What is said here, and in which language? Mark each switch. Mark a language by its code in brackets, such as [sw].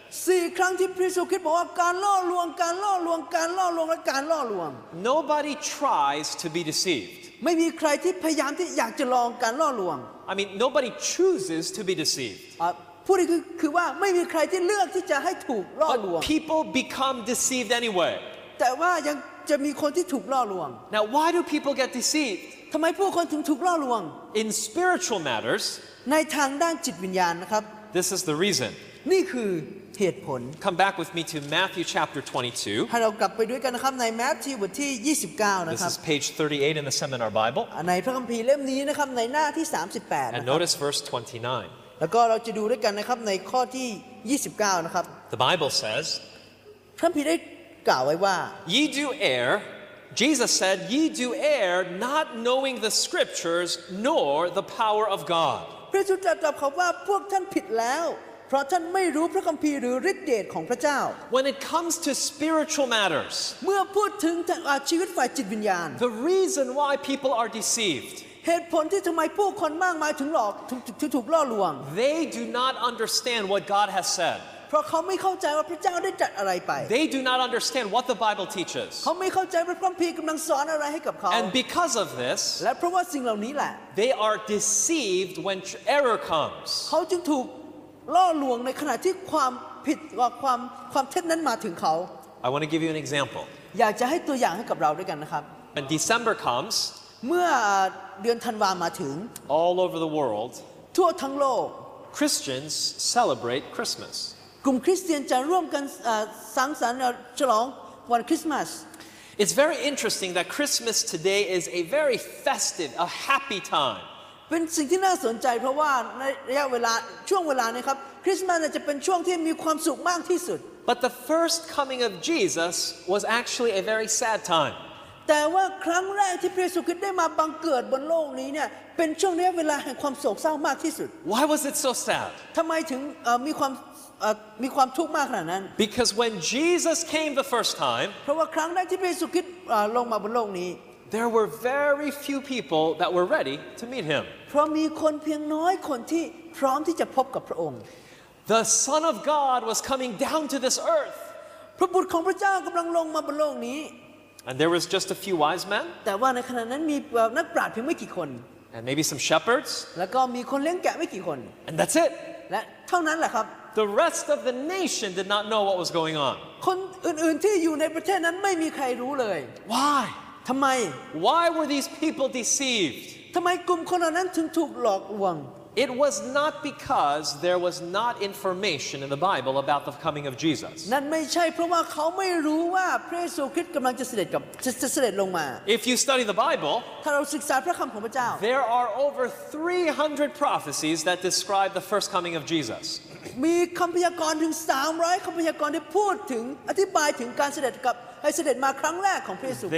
[th] 4ครั้งที่พระเยซูคริสต์บอกว่าการล่อลวงการล่อลวงการล่อลวงและการล่อลวง [en] Nobody tries to be deceived. [th] ไม่มีใครที่พยายามที่อยากจะลองการล่อลวง [en] I mean nobody chooses to be deceived [th] พูดคือว่าไม่มีใครที่เลือกที่จะให้ถูกล่อลวง [en] people become deceived anyway [th] แต่ว่ายังจะมีคนที่ถูกล่อลวง [en] Now why do people get deceived [th] ทำไมผู้คนถึงถูกล่อลวง [en] In spiritual matters [th] ในทางด้านจิตวิญญาณนะครับ [en] This is the reason [th] นี่คือเหตุผล [en] Come back with me to Matthew chapter 22 [th] ให้เรากลับไปด้วยกันนะครับในมัทธิวบทที่29นะครับ [en] This is page 38 in the seminar Bible [th] ในพระคัมภีร์เล่มนี้นะครับในหน้าที่38 [en] And notice verse 29 [th] แล้วก็เราจะดูด้วยกันนะครับในข้อที่29นะครับ [en] The Bible says [th] พระคัมภีร์ได้กล่าวไว้ว่า [en] Ye do err Jesus said ye do err not knowing the scriptures nor the power of God [th] พระเยซูตรัสกับเขาว่าพวกท่านผิดแล้วเพราะท่านไม่รู้พระคัมภีร์หรือฤทธิ์เดชของพระเจ้า [en] When it comes to spiritual matters [th] เมื่อพูดถึงชีวิตฝ่ายจิตวิญญาณ [en] The reason why people are deceived [th] เหตุผลที่ทำไมผู้คนมากมายถึงหลอกถูกล่อลวง [en] They do not understand what God has said [th] เพราะเขาไม่เข้าใจว่าพระเจ้าได้จัดอะไรไป [en] They do not understand what the Bible teaches [th] เขาไม่เข้าใจว่าพระคัมภีร์กำลังสอนอะไรให้กับเขา [en] And because of this [th] และเพราะว่าสิ่งเหล่านี้แหละ [en] They are deceived when error comes [th] เขาจึงถูกล่อลวงในขณะที่ความผิดความเท็จนั้นมาถึงเขา [en] I want to give you an example [th] อยากจะให้ตัวอย่างให้กับเราด้วยกันนะครับ [en] When December comes [th] เมื่อเดือนธันวามาถึง [en] All over the world [th] ทั่วทั้งโลก [en] Christians celebrate Christmas [th] กลุ่มคริสเตียนจะร่วมกันสังสรรค์ฉลองวันคริสต์มาส [en] It's very interesting that Christmas today is a very festive a happy time [th] เป็นสิ่งที่น่าสนใจเพราะว่าในระยะเวลาช่วงเวลานี้ครับคริสต์มาสจะเป็นช่วงที่มีความสุขมากที่สุด [en] But the first coming of Jesus was actually a very sad time [th] แต่ว่าครั้งแรกที่พระเยซูคริสต์ได้มาบังเกิดบนโลกนี้เนี่ยเป็นช่วงระยะเวลาแห่งความโศกเศร้ามากที่สุด [en] Why was it so sad [th] ทำไมถึงมีความทุกข์มากขนาดนั้น [en] Because when Jesus came the first time [th] เพราะว่าครั้งแรกที่พระเยซูคริสต์ลงมาบนโลกนี้ [en] There were very few people that were ready to meet him. [th] เพราะมีคนเพียงน้อยคนที่พร้อมที่จะพบกับพระองค์ [en] The Son of God was coming down to this earth. [th] พระบุตรของพระเจ้ากำลังลงมาบนโลกนี้ [en] And there was just a few wise men. [th] แต่ว่าในขณะนั้นมีนักปราชญ์เพียงไม่กี่คน [en] And maybe some shepherds. [th] แล้วก็มีคนเลี้ยงแกะไม่กี่คน [en] And that's it. [th] และเท่านั้นแหละครับ [en] The rest of the nation did not know what was going on. [th] คนอื่นๆที่อยู่ในประเทศนั้นไม่มีใครรู้เลย [en] Why? [th] ทำไม [en] Why were these people deceived? [th] ทำไมกลุ่มคนเหล่านั้นถึงถูกหลอกลวง [en] It was not because there was not information in the Bible about the coming of Jesus. [th] นั่นไม่ใช่เพราะว่าเขาไม่รู้ว่าพระเยซูคริสต์กำลังจะเสด็จลงมา [en] If you study the Bible, [th] ถ้าเราศึกษาพระคัมภีร์ของพระเจ้า [en] There are over 300 prophecies that describe the first coming of Jesus. [th] มีคำพยากรณ์ถึง300คำพยากรณ์ที่พูดถึงอธิบายถึงการเสด็จกับให้เสด็จมาครั้งแรกของพระเยซูคริสต์